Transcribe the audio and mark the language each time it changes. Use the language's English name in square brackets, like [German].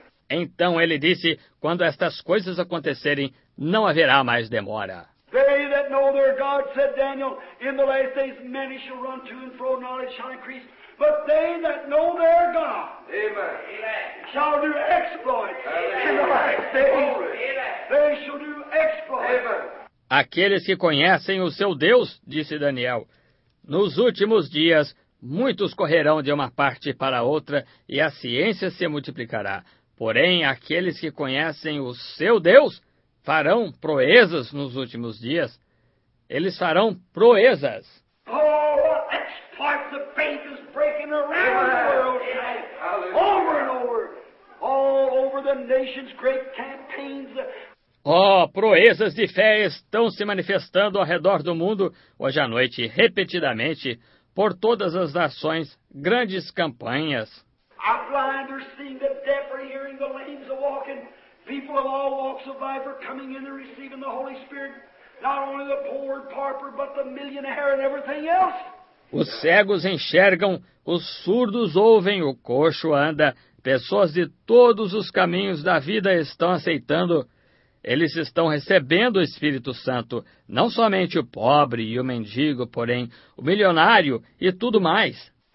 [Portuguese] Então ele disse, quando estas coisas acontecerem, não haverá mais demora. [English] They that know their God, said Daniel, in the last days many shall run to and fro, knowledge shall increase. But they that know their God, amen, shall do exploits. Amen. In the last days, amen, they shall do exploits. Amen. [Portuguese] Aqueles que conhecem o seu Deus, disse Daniel, nos últimos dias muitos correrão de uma parte para outra e a ciência se multiplicará. Porém, aqueles que conhecem o seu Deus farão proezas nos últimos dias. Eles farão proezas. [English] Oh, exploit the faith is breaking around the world. Over and over. All over the nation's great campaigns. [Portuguese] Oh, proezas de fé estão se manifestando ao redor do mundo hoje à noite, repetidamente, por todas as nações, grandes campanhas. [English] Our blind are seeing, the deaf are hearing, the lame are walking. People of all walks of life are coming in and receiving the Holy Spirit. Not only the poor and pauper, but the millionaire and everything else. [Portuguese] Os cegos enxergam, os surdos ouvem, o coxo anda. Pessoas de todos os caminhos da vida estão aceitando. Eles estão recebendo o Espírito Santo, não somente o pobre e o mendigo, porém o milionário e tudo mais.